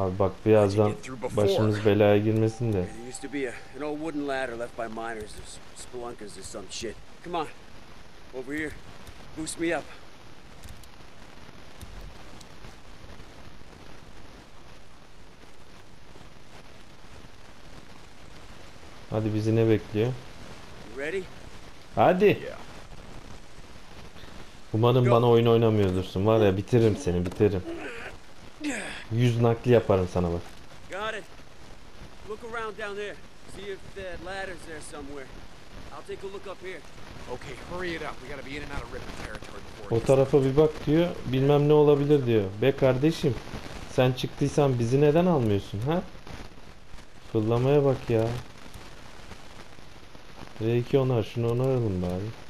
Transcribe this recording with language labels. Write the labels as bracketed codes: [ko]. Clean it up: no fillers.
[tr] Abi bak birazdan başımız belaya girmesin de. [en] There used to be an old wooden ladder left by miners, spelunkers or some shit. Come on, over here, boost me up. [tr] Hadi bizi ne bekliyor? [en] You ready? [tr] Hadi. [en] Yeah. [tr] Umarım bana oyun oynamıyordursun. Var ya bitiririm seni, bitiririm. Yüz nakli yaparım sana bak. [en] Got it. Look around down there. See if that ladder's there somewhere. I'll take a look up here. Okay, hurry it up. We gotta be in and out of Ripper territory. [tr] O tarafa bir bak diyor. Bilmem ne olabilir diyor. Be kardeşim, sen çıktıysan bizi neden almıyorsun ha? Fırlamaya bak ya. R2 onar, şunu onaralım bari.